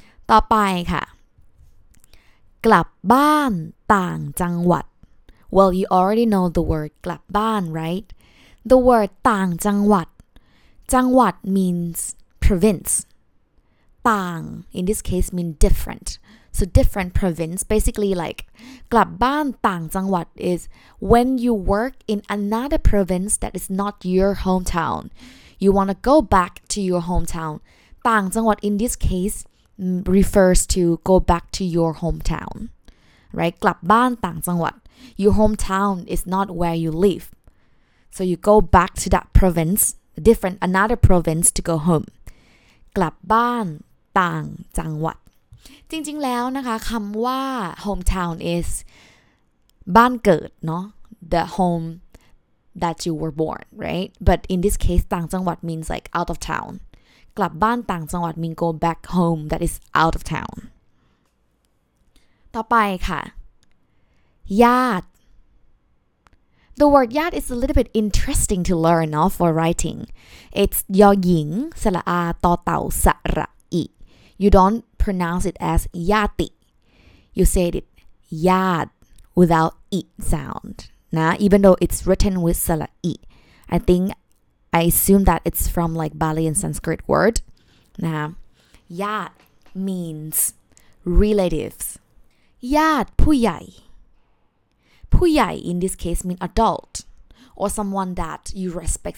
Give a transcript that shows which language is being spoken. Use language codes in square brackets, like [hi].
[th] ต่อไปค่ะกลับบ้านต่างจังหวัด [en] well you already know the word กลับบ้าน right the word ต่างจังหวัดจังหวัด means province ต่าง in this case mean differentSo different province, basically like กลับบ้านต่างจังหวัด is when you work in another province that is not your hometown. You want to go back to your hometown. ต่างจังหวัด in this case refers to go back to your hometown. Right? กลับบ้านต่างจังหวัด Your hometown is not where you live. So you go back to that province, different another province to go home. [th] กลับบ้านต่างจังหวัดจริงๆแล้วนะคะคำว่า [en] hometown is [th] บ้านเกิดเนาะ [en] the home that you were born right but in this case ต่างจังหวัด means like out of town กลับบ้านต่างจังหวัด means go back home that is out of town [th] ต่อไปค่ะญาติ [en] the word ญาติ is a little bit interesting to learn [th] เนาะ [en] for writing it's [th] ยอหญิงสระอาต่อเต่าสระอิ [en] you don'tPronounce it as yati. You say it yad without e sound. Nah, even though it's written with sala e, I assume that it's from like Bali and Sanskrit word. Nah, yad means relatives. [th] Yad puyai. [en] Puyai in this case mean adult or someone that you respect.